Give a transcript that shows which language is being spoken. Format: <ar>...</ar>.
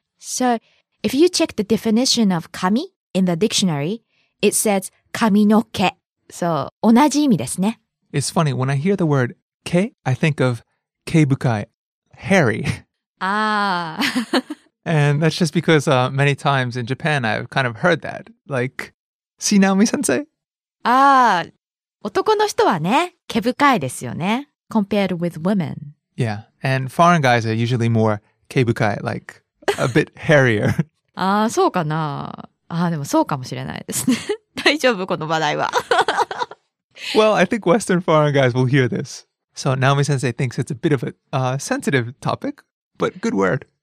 <en>So, if you check the definition of 髪 in the dictionary, it says...</en> <ja>髪の毛。So, 同じ意味ですね。</ja> <en>It's funny, when I hear the word 毛, I think of 毛深い hairy. Ah. And that's just because many times in Japan I've kind of heard that. Like, see Naomi-sensei?</en> <ja>Ah, 男の人はね、毛深いですよね。</ja> <en>Compared with women. Yeah, and foreign guys are usually more 毛深い, like a bit hairier.</en> <ja>Ah, そうかな。あ、でもそうかもしれないですね。大丈夫この話題は。</ja> <en>Well, I think Western foreign guys will hear this. So Naomi-sensei thinks it's a bit of a sensitive topic, but good word.</en>